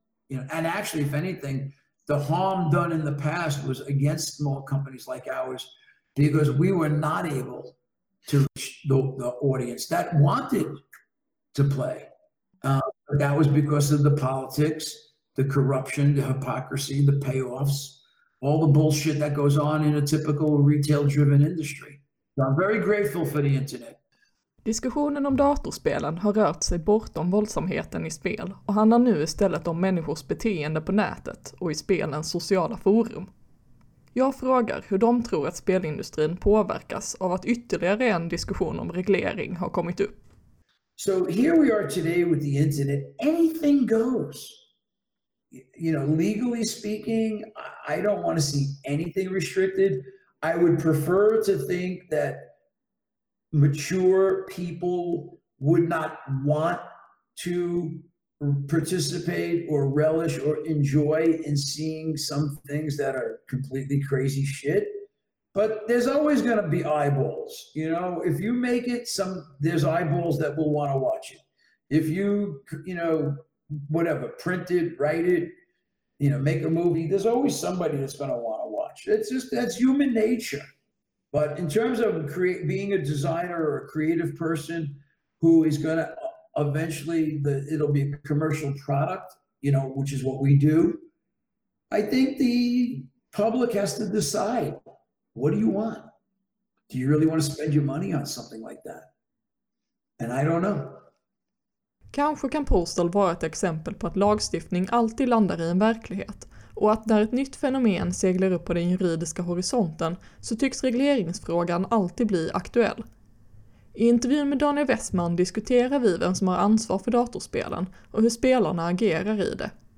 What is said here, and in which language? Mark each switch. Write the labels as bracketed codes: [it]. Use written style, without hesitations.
[en] You know, and actually, if anything, the harm done in the past was against small companies like ours because we were not able to reach the audience that wanted to play. That was because of the politics, the corruption, the hypocrisy, the payoffs, all the bullshit that goes on in a typical retail-driven industry. So I'm very grateful for the internet. [sv] Diskussionen om datorspelen har rört sig bortom våldsamheten i spel och handlar nu istället om människors beteende på nätet och i spelens sociala forum. Jag frågar hur de tror att spelindustrin påverkas av att ytterligare en diskussion om reglering har kommit upp. [en] So here we are today with the internet. Anything goes. You know, legally speaking, I don't want to see anything restricted. I would prefer to think that mature people would not want to participate or relish or enjoy in seeing some things that are completely crazy shit. But there's always going to be eyeballs. You know, if you make it, some there's eyeballs that will want to watch it. If you, you know, whatever, print it, write it, you know, make a movie, there's always somebody that's going to want to watch. It's just, that's human nature. But in terms of being a designer or a creative person who is going to eventually, it'll be a commercial product, you know, which is what we do. I think the public has to decide, what do you want? Do you really want to spend your money on something like that? And I don't know. [sv] Kanske kan Postal vara ett exempel på att lagstiftning alltid landar i en verklighet och att när ett nytt fenomen seglar upp på den juridiska horisonten så tycks regleringsfrågan alltid bli aktuell. I intervjun med Daniel Westman diskuterar vi vem som har ansvar för datorspelen och hur spelarna agerar i det.